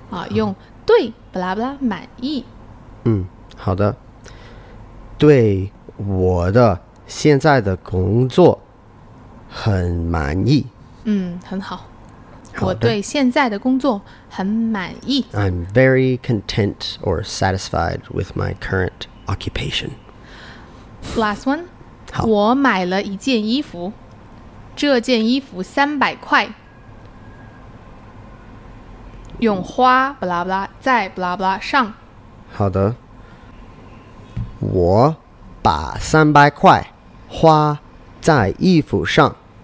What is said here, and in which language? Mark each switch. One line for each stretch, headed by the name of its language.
Chinese: 用对 blah blah 满意。好的。对我的现在的工作很满意。很好。我对现在的工作很满意。
English: I'm very content or satisfied with my current occupation. Last one.
Chinese: 我买了一件衣服，这件衣服300块。用花 blah blah 在 blah blah 上。好的。我把300块花在衣服上。